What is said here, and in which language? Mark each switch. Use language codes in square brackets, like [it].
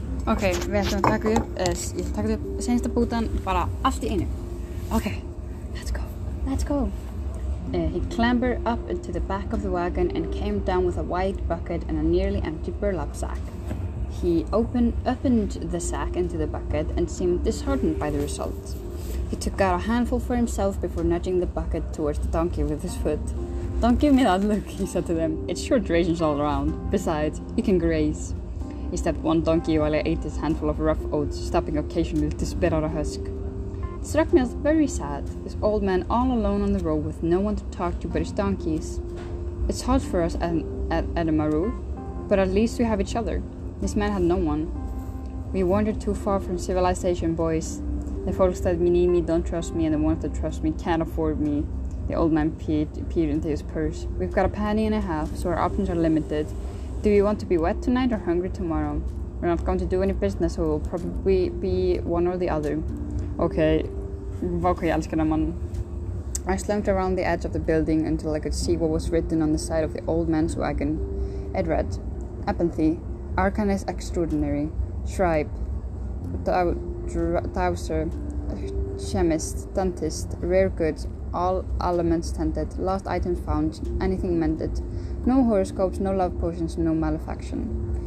[is] Ok, við ætlum að taka upp, ég taka upp seinsta bútan, bara allt í einu. [en] Ok, let's go. He clambered up into the back of the wagon and came down with a white bucket and a nearly empty burlap sack. He opened the sack into the bucket and seemed disheartened by the result. He took out a handful for himself before nudging the bucket towards the donkey with his foot. Don't give me that look, he said to them. It's short rations all around. Besides, you can graze. He stepped one donkey while I ate his handful of rough oats, stopping occasionally to spit out a husk. It struck me as very sad, this old man all alone on the road with no one to talk to but his donkeys. It's hard for us at Maru, but at least we have each other. This man had no one. We wandered too far from civilization, boys. The folks that need me don't trust me, and the ones that trust me can't afford me. The old man peered into his purse. We've got a penny and a half, so our options are limited. Do you want to be wet tonight or hungry tomorrow? We're not going to do any business, so we'll probably be one or the other. [is] Okay, fokk, ég elska þennan mann. [en] I slumped around the edge of the building until I could see what was written on the side of the old man's wagon. It read, Apathy, Arcanist Extraordinary, Shribe, Dowser, Chemist, Dentist, Rare Goods, All Elements Tended, Lost Items Found, Anything Mended, No horoscopes, no love potions, no malefaction.